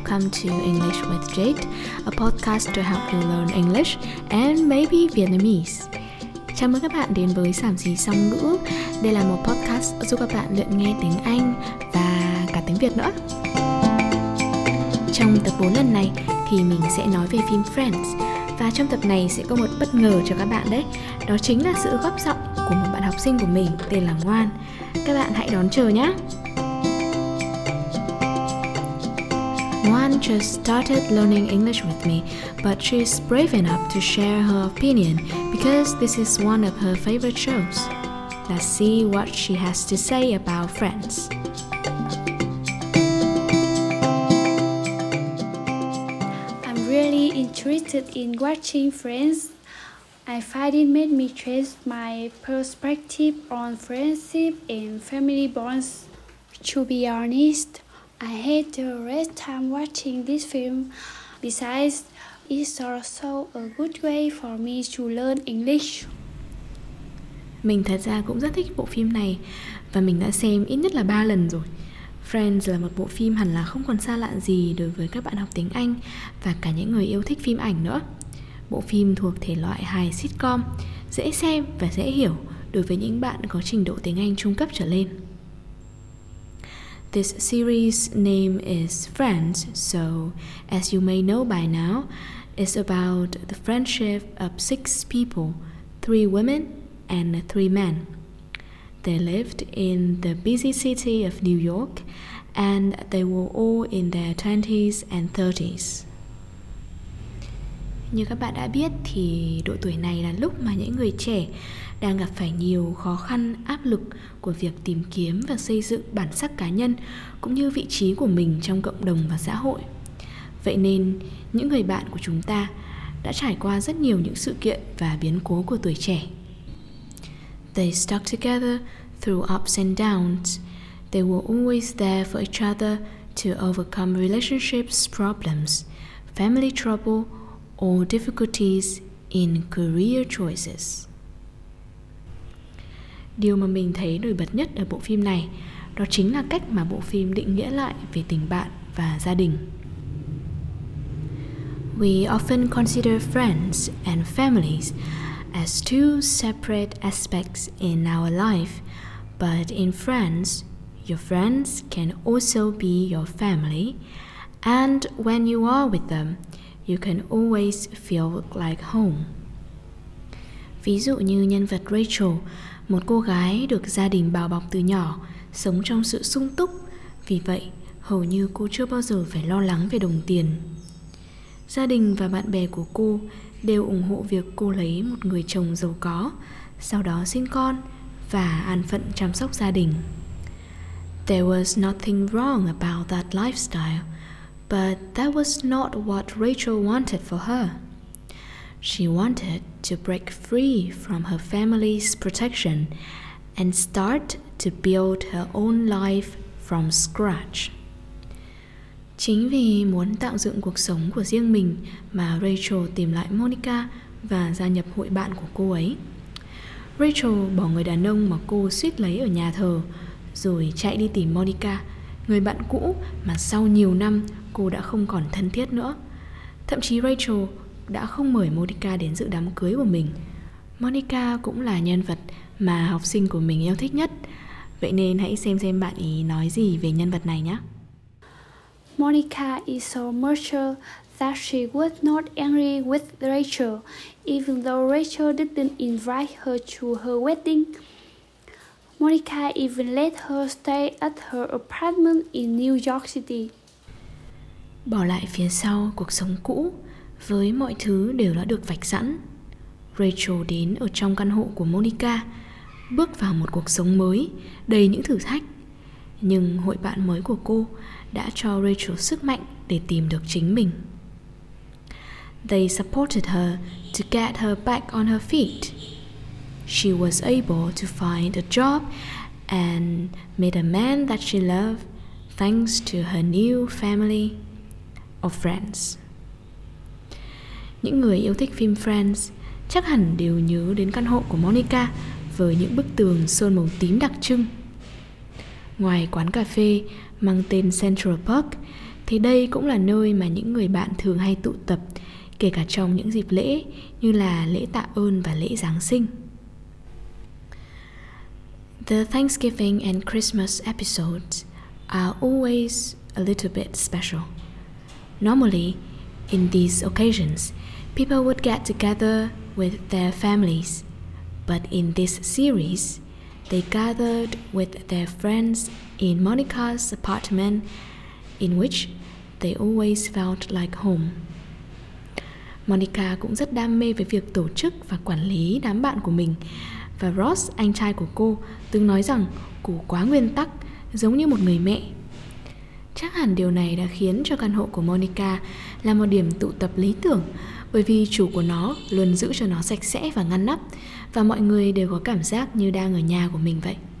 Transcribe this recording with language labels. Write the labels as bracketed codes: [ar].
[en] to English with Jade, a podcast to help you learn English and maybe Vietnamese. [vi] Chào mừng các bạn đến với Sảm Xí Song Ngữ. Đây là một podcast giúp các bạn luyện nghe tiếng Anh và cả tiếng Việt nữa. Trong tập 4 lần này thì mình sẽ nói về phim Friends. Và trong tập này sẽ có một bất ngờ cho các bạn đấy. Đó chính là sự góp giọng của một bạn học sinh của mình tên là Ngoan. Các bạn hãy đón chờ nhé. [en] Ngoan just started learning English with me, but she's brave enough to share her opinion because this is one of her favorite shows. Let's see what she has to say about Friends. I'm really interested in watching Friends. I find it made me change my perspective on friendship and family bonds. To be honest, I had the rest time watching this film. Besides, it's also a good way for me to learn English. [vi] Mình thật ra cũng rất thích bộ phim này và mình đã xem ít nhất là 3 lần rồi. Friends là một bộ phim hẳn là không còn xa lạ gì đối với các bạn học tiếng Anh và cả những người yêu thích phim ảnh nữa. Bộ phim thuộc thể loại hài sitcom, dễ xem và dễ hiểu đối với những bạn có trình độ tiếng Anh trung cấp trở lên. [en] This series name is Friends, so as you may know by now, it's about the friendship of 6 people, 3 women and 3 men. They lived in the busy city of New York, and they were all in their 20s and 30s. [vi] Như các bạn đã biết thì độ tuổi này là lúc mà những người trẻ đang gặp phải nhiều khó khăn, áp lực của việc tìm kiếm và xây dựng bản sắc cá nhân cũng như vị trí của mình trong cộng đồng và xã hội. Vậy nên, những người bạn của chúng ta đã trải qua rất nhiều những sự kiện và biến cố của tuổi trẻ. [en] They stuck together through ups and downs. They were always there for each other to overcome relationships problems, family trouble, or difficulties in career choices. [vi] Điều mà mình thấy nổi bật nhất ở bộ phim này đó chính là cách mà bộ phim định nghĩa lại về tình bạn và gia đình. [en] We often consider friends and families as two separate aspects in our life, but in Friends, your friends can also be your family, and when you are with them, you can always feel like home. [vi] Ví dụ như nhân vật Rachel, một cô gái được gia đình bao bọc từ nhỏ, sống trong sự sung túc, vì vậy hầu như cô chưa bao giờ phải lo lắng về đồng tiền. Gia đình và bạn bè của cô đều ủng hộ việc cô lấy một người chồng giàu có, sau đó sinh con và an phận chăm sóc gia đình. [en] There was nothing wrong about that lifestyle, but that was not what Rachel wanted for her. She wanted to break free from her family's protection and start to build her own life from scratch. [vi] Chính vì muốn tạo dựng cuộc sống của riêng mình mà Rachel tìm lại Monica và gia nhập hội bạn của cô ấy. Rachel bỏ người đàn ông mà cô suýt lấy ở nhà thờ, rồi chạy đi tìm Monica, người bạn cũ mà sau nhiều năm cô đã không còn thân thiết nữa. Thậm chí Rachel đã không mời Monica đến dự đám cưới của mình. Monica cũng là nhân vật mà học sinh của mình yêu thích nhất. Vậy nên hãy xem bạn ý nói gì về nhân vật này nhé. [en] Monica is so mature that she was not angry with Rachel, even though Rachel didn't invite her to her wedding. Monica even let her stay at her apartment in New York City. [vi] Bỏ lại phía sau cuộc sống cũ, với mọi thứ đều đã được vạch sẵn, Rachel đến ở trong căn hộ của Monica, bước vào một cuộc sống mới, đầy những thử thách. Nhưng hội bạn mới của cô đã cho Rachel sức mạnh để tìm được chính mình. [en] They supported her to get her back on her feet. She was able to find a job and meet a man that she loved thanks to her new family of friends. [vi] Những người yêu thích phim Friends chắc hẳn đều nhớ đến căn hộ của Monica với những bức tường sơn màu tím đặc trưng. Ngoài quán cà phê mang tên Central Park, Thì đây cũng là nơi mà những người bạn thường hay tụ tập, kể cả trong những dịp lễ như là lễ tạ ơn và lễ Giáng sinh. [en] The Thanksgiving and Christmas episodes are always a little bit special. Normally, in these occasions, people would get together with their families. But in this series, they gathered with their friends in Monica's apartment, in which they always felt like home. [vi] Monica cũng rất đam mê với việc tổ chức và quản lý đám bạn của mình. Và Ross, anh trai của cô, từng nói rằng cô quá nguyên tắc, giống như một người mẹ. Chắc hẳn điều này đã khiến cho căn hộ của Monica là một điểm tụ tập lý tưởng, bởi vì chủ của nó luôn giữ cho nó sạch sẽ và ngăn nắp, và mọi người đều có cảm giác như đang ở nhà của mình vậy.